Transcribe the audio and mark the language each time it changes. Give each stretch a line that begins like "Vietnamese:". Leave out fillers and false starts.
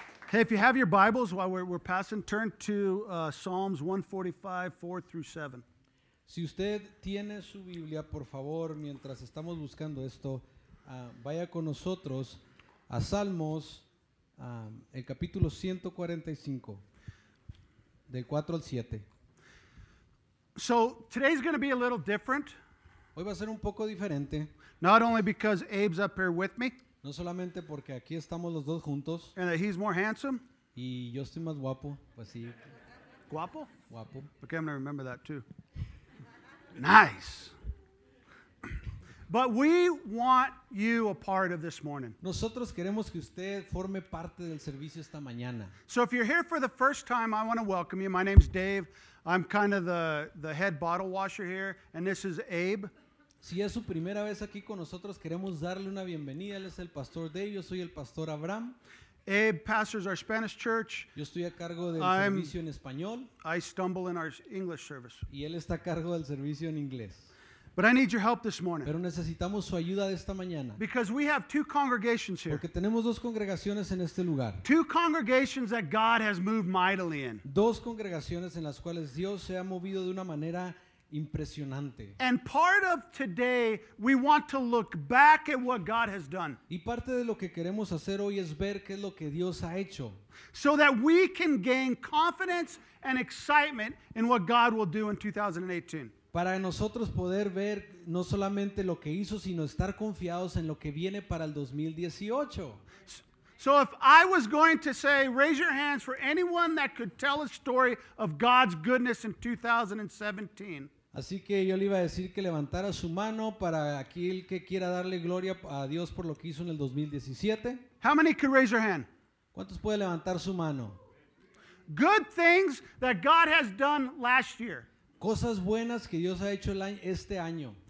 English: Hey, if you have your Bibles while we're passing, turn to Psalms 145, 4 through 7.
Spanish: Si usted tiene su Biblia, por favor, mientras estamos buscando esto, vaya con nosotros a Salmos, el capítulo 145, del 4 al 7.
English: So, today's going to be a little different.
Spanish: Hoy va a ser un poco diferente.
English: Not only because Abe's up here with me.
Spanish: No solamente porque aquí estamos los dos juntos.
English: And that he's more handsome.
Spanish: Y yo estoy más guapo, pues sí. ¿Guapo? Guapo.
English: Okay, I'm going to remember that too. Nice. But we want you a part of this morning.
Spanish: Nosotros queremos que usted forme parte del servicio esta mañana.
English: So if you're here for the first time, I want to welcome you. My name's Dave. I'm kind of the head bottle washer here. And this is Abe.
Spanish: Si es su primera vez aquí con nosotros, queremos darle una bienvenida. Él es el pastor Dave. Yo soy el pastor Abraham.
English: Abe pastors our Spanish church.
Spanish: Yo estoy a cargo del servicio en español.
English: I stumble in our English service.
Spanish: Y él está a cargo del servicio en inglés.
English: But I need your help this morning.
Spanish: Pero necesitamos su ayuda de esta mañana.
English: Because we have two congregations here.
Spanish: Porque tenemos dos congregaciones en este lugar.
English: Two congregations that God has moved mightily in.
Spanish: Dos congregaciones en las cuales Dios se ha movido de una manera impresionante.
English: And part of today, we want to look back at what God has done.
Spanish: Y parte de lo que queremos hacer hoy es ver qué es lo que Dios ha hecho.
English: So that we can gain confidence and excitement in what God will do in 2018.
Spanish: Para nosotros poder ver no solamente lo que hizo, sino estar confiados en lo que viene para el 2018.
English: So if I was going to say, raise your hands for anyone that could tell a story of God's goodness in 2017.
Spanish: Así que yo le iba a decir que levantara su mano para aquel que quiera darle gloria a Dios por lo que hizo en el 2017.
English: How many could raise your hand?
Spanish: ¿Cuántos puede levantar su mano?
English: Good things that God has done last year.
Spanish: Cosas buenas que Dios ha hecho este año.